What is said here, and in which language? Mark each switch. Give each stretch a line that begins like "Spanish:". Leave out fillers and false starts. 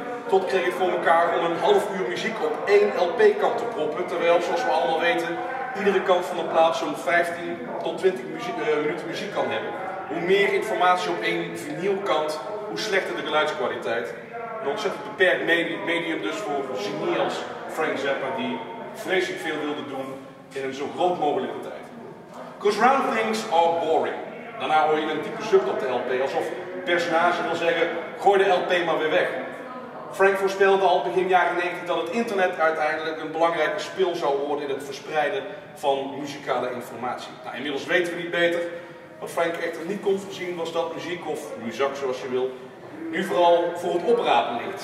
Dutch: Tot kreeg het voor elkaar om een half uur muziek op één LP-kant te proppen, terwijl, zoals we allemaal weten, iedere kant van de plaat zo'n 15 tot 20 minuten muziek kan hebben. Hoe meer informatie op één vinylkant, hoe slechter de geluidskwaliteit. Een ontzettend beperkt medium dus voor genie als Frank Zappa, die vreselijk veel wilde doen in een zo groot mogelijke tijd.
English: Because round things are boring.
Dutch: Daarna hoor je een diepe zucht op de LP, alsof het personage wil zeggen, gooi de LP maar weer weg. Frank voorspelde al begin jaren 90 dat het internet uiteindelijk een belangrijke speel zou worden in het verspreiden van muzikale informatie. Nou, inmiddels weten we niet beter. Wat Frank echter niet kon voorzien was dat muziek, of muzak zoals je wil, nu vooral voor het oprapen ligt.